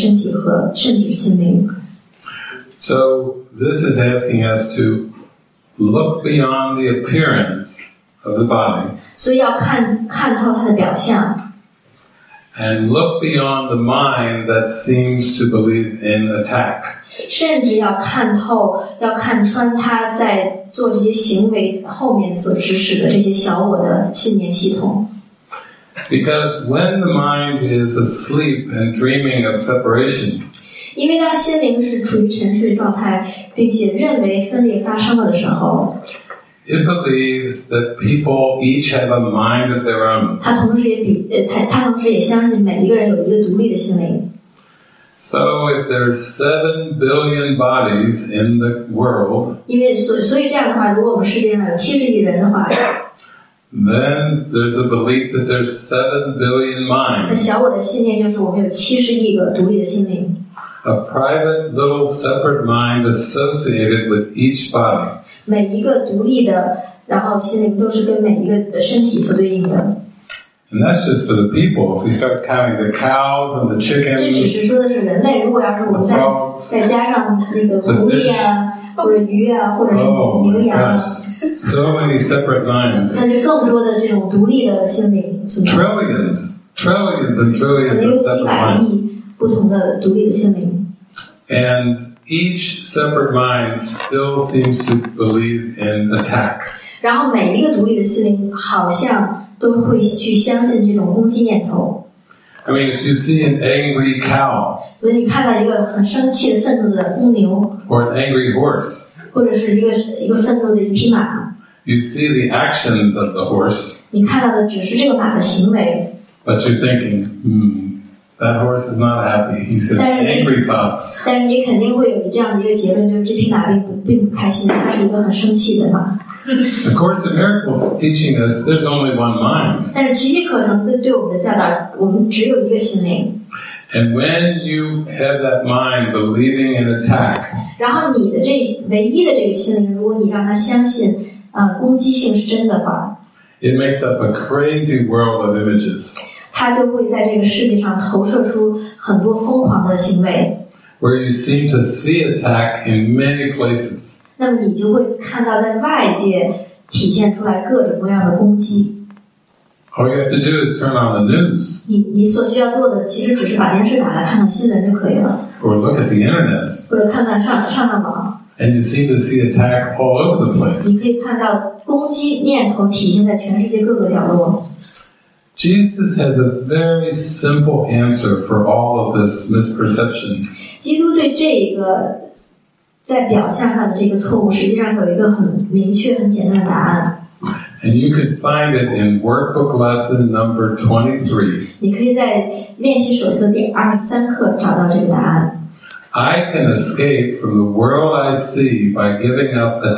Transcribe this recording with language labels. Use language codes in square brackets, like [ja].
[en] So this is asking us to look beyond the appearance of the body. [zh] So 要看看透它的表象。 [en] And look beyond the mind that seems to believe in attack. [zh] 甚至要看透，要看穿他在做这些行为后面所指使的这些小我的信念系统。 [en] Because when the mind is asleep and dreaming of separation, [zh] 因为当心灵是处于沉睡状态，并且认为分裂发生了的时候。 [en] It believes that people each have a mind of their own. [zh] 他同时也相信每一个人有一个独立的心灵。 [en] So if there are 7 billion bodies in the world, [zh] 因为所以这样的话，如果我们世界上有70亿人的话， [en] then there's a belief that there's 7 billion minds. [zh] 那小我的信念就是我们有70亿个独立的心灵。 [en] A private little separate mind associated with each body. [zh] 每一个独立的，然后心灵都是跟每一个身体所对应的。 [en] And that's just for the people. If we start counting the cows and the chickens, [zh] 这只是说的是人类。如果要是我们再加上那个狐狸啊，或者鱼啊，或者是牛羊啊， [en] so many separate minds. [zh] 那就更多的这种独立的心灵存在。 [en] Trillions, trillions and trillions of separate minds. [zh] 有几百亿不同的独立的心灵。 [en] And each separate mind still seems to believe in attack. [zh] 然后每一个独立的心灵好像都会去相信这种攻击念头。 [en] I mean, if you see an angry cow, [zh] 所以你看到一个很生气的愤怒的公牛， [en] or an angry horse, [zh] 或者是一个愤怒的一匹马， [en] you see the actions of the horse, [zh] 你看到的只是这个马的行为， [en] but you're thinking, that horse is not happy, he's got angry thoughts. [zh] 但是你肯定会有这样的一个结论，就是这匹马并不开心，它是一个很生气的马。 [en] Of course, the miracle is teaching us there's only one mind. [zh] 但是奇迹课程对我们的教导，我们只有一个心灵。 [en] And when you have that mind believing in attack, [zh] 然后你的这唯一的这个心灵，如果你让它相信，攻击性是真的话， [en] it makes up a crazy world of images. [zh] 它就会在这个世界上投射出很多疯狂的行为。 [en] Where you seem to see attack in many places. [zh] 那么你就会看到在外界体现出来各种各样的攻击。 [en] All you have to do is turn on the news. [zh] 你所需要做的其实只是把电视打开，看看新闻就可以了。 [en] Or look at the internet. [zh] 或者看看上网。 [en] And you seem to see attack all over the place. [zh] 你可以看到攻击念头体现在全世界各个角落。 [en] Jesus has a very simple answer for all of this misperception. [zh] 基督对这个在表象上的这个错误，实际上有一个很明确、很简单的答案。 [en] And you can find it in workbook lesson number 23. I can escape from the world I see by giving up the